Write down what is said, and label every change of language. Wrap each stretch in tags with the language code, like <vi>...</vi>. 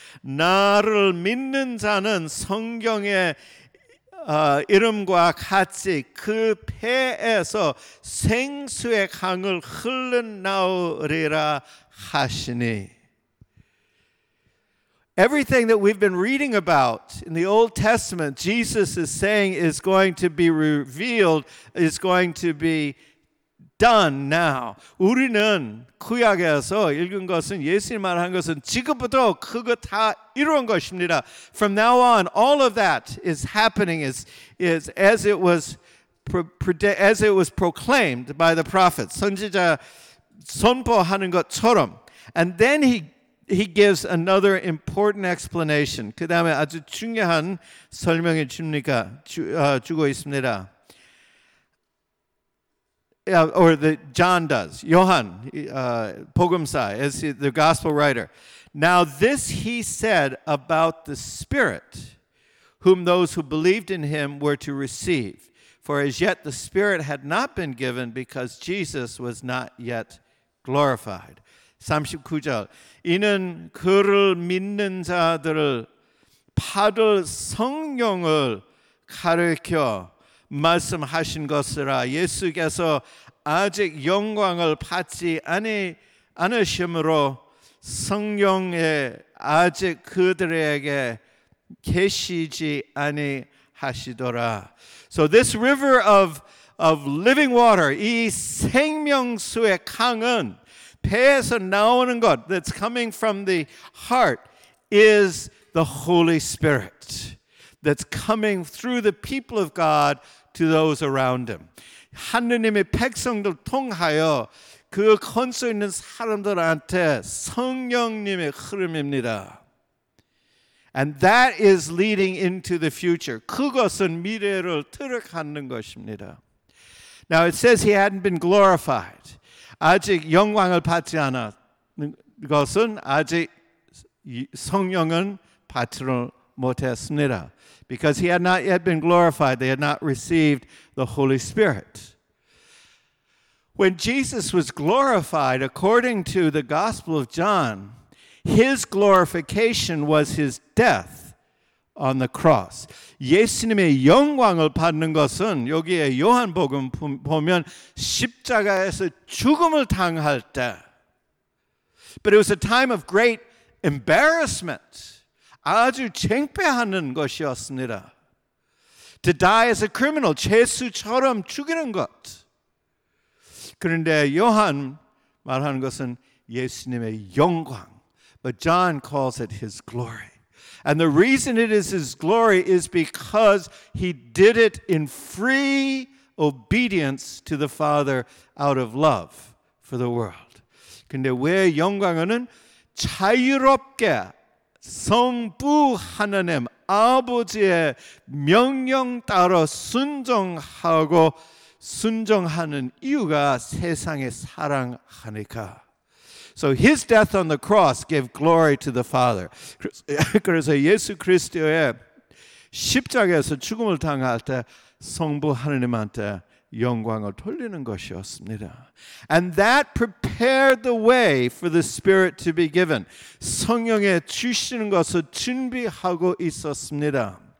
<ko>나를 믿는 자는 성경에 이름과 같이 그 폐에서 생수의 강을 흘러나오리라 하시니.</ko> <en>Everything that we've been reading about in the Old Testament, Jesus is saying is going to be revealed, is going to be done now.</en> <ko>우리는 구약에서 읽은 것은 예수님 말한 것은 지금부터 그거 다 이루어진 것입니다.</ko> <en>From now on, all of that is happening is as it was proclaimed by the prophets.</en> <ko>선지자 선포하는 것처럼.</ko> <en>And then he gives another important explanation.</en> <ko>그 다음에 아주 중요한 설명을 주고 있습니다.</ko> <en>John does. Johann, 복음사, as the gospel writer. Now this he said about the Spirit, whom those who believed in him were to receive. For as yet the Spirit had not been given because Jesus was not yet glorified.</en> <ko>39절, 이는 그를 믿는 자들을 받을 성령을 가르켜 말씀하신 것이라 예수께서 아직 영광을 받지 않으심으로 성령에 아직 그들에게 계시지 아니하시더라.</ko> <en>So this river of living water,</en> <ko>이 생명수의 강은 폐에서 나오는 것</ko> <en>that's coming from the heart is the Holy Spirit that's coming through the people of God to those around him.</en> <ko>하느님의 백성들 통하여 그 건소 있는 사람들한테 성령님의 흐름입니다.</ko> <en>And that is leading into the future.</en> <ko>그것은 미래를 틀어가는 것입니다.</ko> <en>Now it says he hadn't been glorified.</en> <ko>아직 영광을 받지 않았는 것은 아직 성령은 받지를 못했습니다.</ko> <en>Because he had not yet been glorified, they had not received the Holy Spirit. When Jesus was glorified, according to the Gospel of John, his glorification was his death on the cross.</en> <ko>예수님의 영광을 받는 것은 여기에 요한복음 보면 십자가에서 죽음을 당할 때.</ko> <en>But it was a time of great embarrassment.</en> <ko>아주 창피하는 것이었습니다.</ko> <en>to die as a criminal,</en> <ko>죄수처럼 죽이는 것. 그런데 요한 말하는 것은 예수님의 영광.</ko> <en>But John calls it his glory. And the reason it is his glory is because he did it in free obedience to the Father out of love for the world.</en> <ko>근데 왜 영광은 자유롭게 성부 하나님 아버지의 명령 따라 순종하고 순종하는 이유가 세상의 사랑하니까.</ko> <en>So his death on the cross gave glory to the Father.</en> <ko>그래서 예수 그리스도의 십자가에서 죽음을 당할 때 성부 하나님한테 영광을 돌리는 것이었습니다.</ko> <en>And that prepared the way for the Spirit to be given.</en> <ko>성령에 주시는 것을 준비하고 있었습니다.</ko>